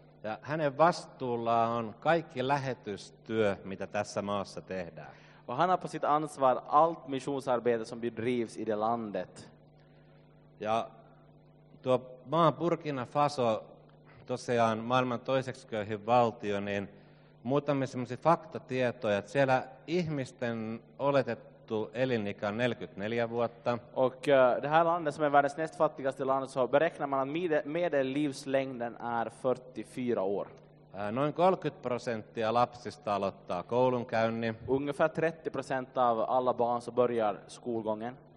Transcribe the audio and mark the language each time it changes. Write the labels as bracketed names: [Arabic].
[Finnish] Ja hänen vastuullaan on kaikki lähetystyö, mitä tässä maassa tehdään. [Swedish] Och han har på sitt ansvar allt missionsarbete som bedrivs i det landet. [Finnish] Ja tuo maa Burkina Faso, tosiaan maailman toiseksi köyhin valtio, niin muutamia semmoisia faktatietoja, että siellä ihmisten oletettu elinikä on 44 vuotta. [Swedish] Och det här landet som är världens näst fattigaste land, så beräknar man att medellivslängden är 44 år. [Finnish] Noin 30% lapsista aloittaa koulunkäynnin. [Swedish] Ungefär 30% av alla barn så börjar skolgången.